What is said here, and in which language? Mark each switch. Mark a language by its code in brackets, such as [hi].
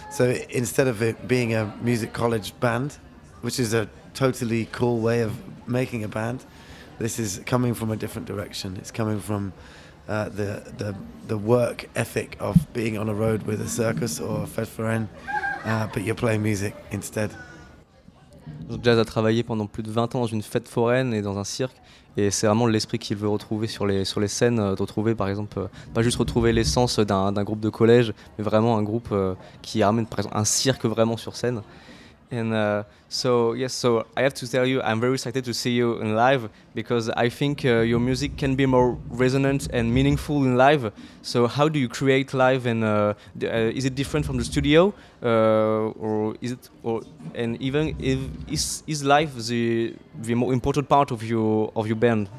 [en] So instead of it being a music college band, which is a totally cool way of making a band, this is coming from a different direction. It's coming from the work ethic of being on a road with a circus or a Fête-Foraine, but you're playing music instead. [fr] Jazz a travaillé pendant plus de 20 ans dans une fête foraine et dans un cirque, et c'est vraiment l'esprit qu'il veut retrouver sur les scènes, de retrouver par exemple, pas juste retrouver l'essence d'un groupe de collège, mais vraiment un groupe qui amène par exemple un cirque vraiment sur scène. [en] And so I have to tell you, I'm very excited to see you in live because I think your music can be more resonant and meaningful in live. So how do you create live, and is it different from the studio, or is live the more important part of your band?